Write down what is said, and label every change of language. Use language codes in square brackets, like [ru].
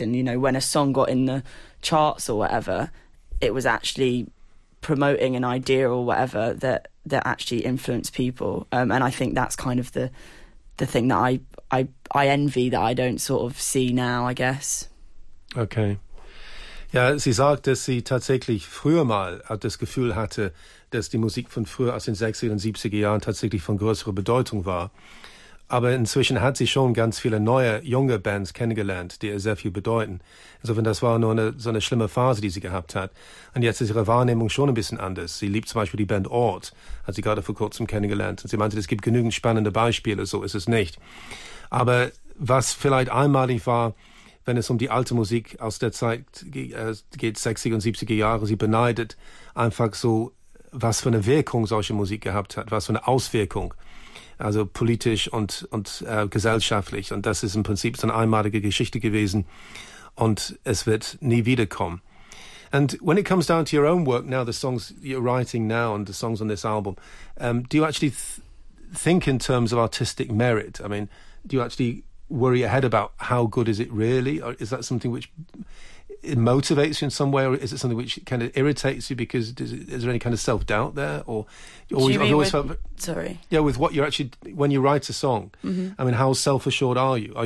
[en] And, you know, when a song got in the charts or whatever, it was actually promoting an idea or whatever that actually influenced people. And I think that's kind of the thing that I envy, that I don't sort of see now, I guess. Okay. [de] Ja, sie sagt, dass sie tatsächlich früher mal das Gefühl hatte, dass die Musik von früher aus den 60er und 70er Jahren tatsächlich von größerer Bedeutung war. Aber inzwischen hat sie schon ganz viele neue, junge Bands kennengelernt, die ihr sehr viel bedeuten. Insofern, das war nur so eine schlimme Phase, die sie gehabt hat. Und jetzt ist ihre Wahrnehmung schon ein bisschen anders. Sie liebt zum Beispiel die Band Ort, hat sie gerade vor kurzem kennengelernt. Und sie meinte, es gibt genügend spannende Beispiele, so ist es nicht. Aber was vielleicht einmalig war, wenn es um die alte Musik aus der Zeit geht, 60er und 70er Jahre, sie beneidet einfach so, was für eine Wirkung solche Musik gehabt hat, was für eine Auswirkung, also politisch und gesellschaftlich. Und das ist im Prinzip so eine einmalige Geschichte gewesen und es wird nie wiederkommen. [en] And when it comes down to your own work now, the songs you're writing now and the songs on this album, do you actually think in terms of artistic merit? I mean, do you actually worry ahead about how good is it really, or is that something which it motivates you in some way, or is it something which kind of irritates you because is there any kind of self-doubt there, or with what you're actually, when you write a song, mm-hmm. I mean, how self-assured are you?